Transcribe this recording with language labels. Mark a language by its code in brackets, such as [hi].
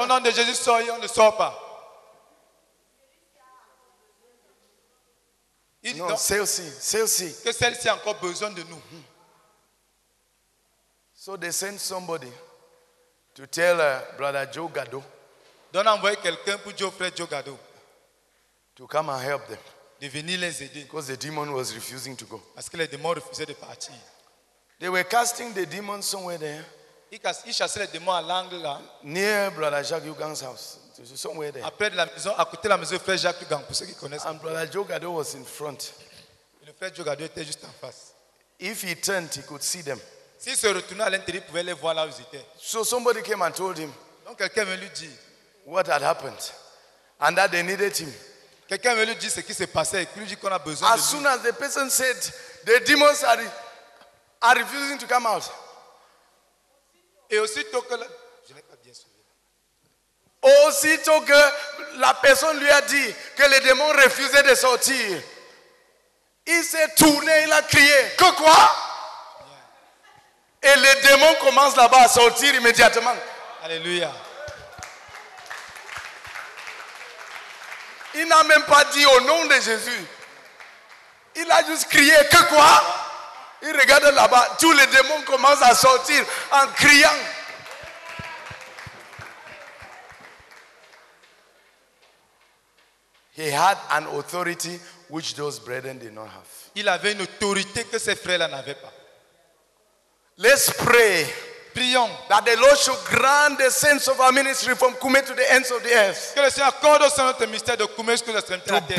[fr] Au nom de Jésus, sort, on ne sort pas. Il non, donc, celle-ci. Que celle-ci a encore besoin de nous. [en] So they send somebody to tell brother Joe Gado. [fr] Donc envoyer quelqu'un pour Joe Fred Joe Gado. [en] To come and help them. [fr] De venir les aider. [en] Because the demon was refusing to go. [fr] Parce que les démons refusaient de partir. [en] They were casting the demon somewhere there. [fr] Ils chassaient les démons à l'angle là. [en] Near brother Jacques Hugan's house. Somewhere there. [fr] Après de la maison, à côté de la maison, le frère Jacques Hugan, pour ceux qui connaissent. [en] And brother Joe Gado was in front. [fr] Et le frère Joe Gado était juste en face. [en] If he turned, he could see them. [fr] S'il se retournait à l'intérieur, il pouvait les voir là où ils étaient. [en] So somebody came and told him. [fr] Donc quelqu'un venait lui dire. [en] What had happened? And that they needed him. [fr] Quelqu'un venait lui dire ce qui s'est passé et lui dit qu'on a besoin [en] as [fr] de lui. [en] As soon as the person said, the demons are refusing to come out. [fr] Et aussitôt que... Aussitôt que la personne lui a dit que les démons refusaient de sortir, il s'est tourné, il a crié. Que quoi? Et les démons commencent là-bas à sortir immédiatement. Alléluia. Il n'a même pas dit au nom de Jésus. Il a juste crié. Que quoi? Il regarde là-bas, tous les démons commencent à sortir en criant. [en] He had an authority which those brethren did not have. [fr] Il avait une autorité que ses frères n'avaient pas. [en] Let's pray. [fr] Prions. [en] That the Lord should grant the sense of our ministry from Kumé to the ends of the earth. [fr] Que le Seigneur accorde au sein de notre ministère de Kumé jusqu'aux extrémités de la terre.